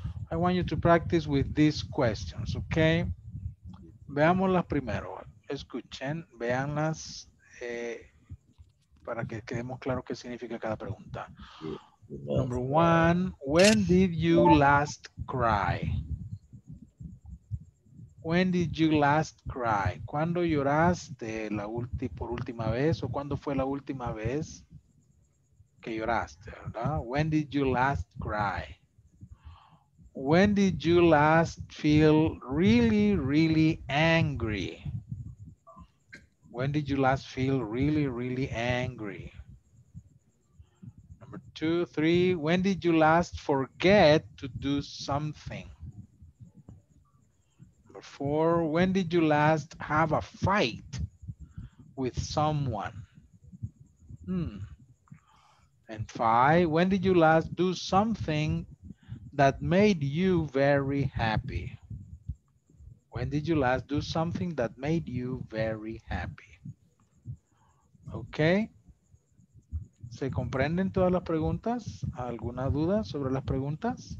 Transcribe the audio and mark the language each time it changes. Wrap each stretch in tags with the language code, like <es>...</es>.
<en>I want you to practice with these questions, okay?</en> <es>Veámoslas primero. Escuchen, veanlas para que quedemos claro qué significa cada pregunta.</es> <en>Number one, when did you last cry? When did you last cry?</en> <es>¿Cuándo lloraste por última vez? ¿O cuándo fue la última vez que lloraste, verdad?</es> <en>When did you last cry? When did you last feel really, really angry? When did you last feel really, really angry? Number two, three, when did you last forget to do something? Number four, when did you last have a fight with someone? And five, when did you last do something that made you very happy? When did you last do something that made you very happy? Okay.</en> <es>¿Se comprenden todas las preguntas? ¿Alguna duda sobre las preguntas?</es>